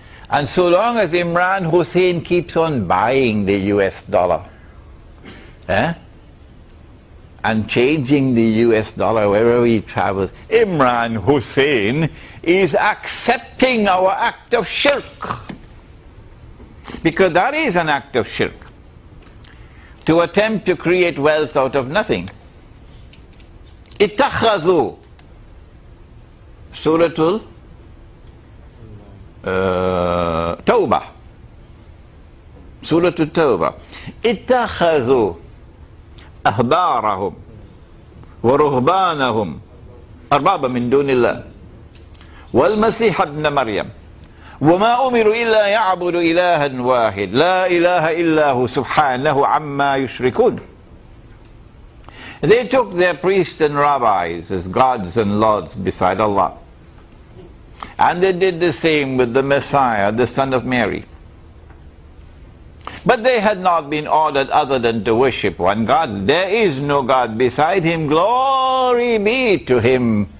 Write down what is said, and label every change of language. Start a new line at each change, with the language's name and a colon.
English: And so long as Imran Hossein keeps on buying the US dollar, and changing the US dollar wherever he travels, Imran Hossein is accepting our act of shirk. Because that is an act of shirk, to attempt to create wealth out of nothing.
Arabic: اتخذوا سورة التوبة سورة التوبة اتخذوا أهبارهم ورهبانهم أربابا من دون الله والمسيح ابن مريم وما أمروا إلا يعبدوا إلها واحد لا إله إلا هو سبحانه عما يشركون.
English: They took their priests and rabbis as gods and lords beside Allah. And they did the same with the Messiah, the son of Mary. But they had not been ordered other than to worship one God. There is no God beside him. Glory be to him.